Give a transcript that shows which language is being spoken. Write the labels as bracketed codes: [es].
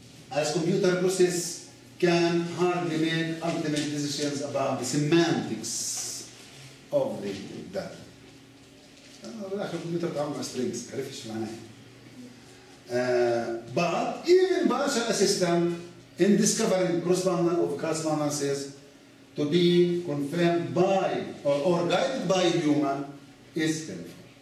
[en] As computer process can hardly make ultimate decisions about the semantics of the data. [ar] الكمبيوتر بتعامل مع strings, عارف ايش معناها. [en] But even virtual assistant in discovering correspondences to be confirmed by or guided by a human is helpful.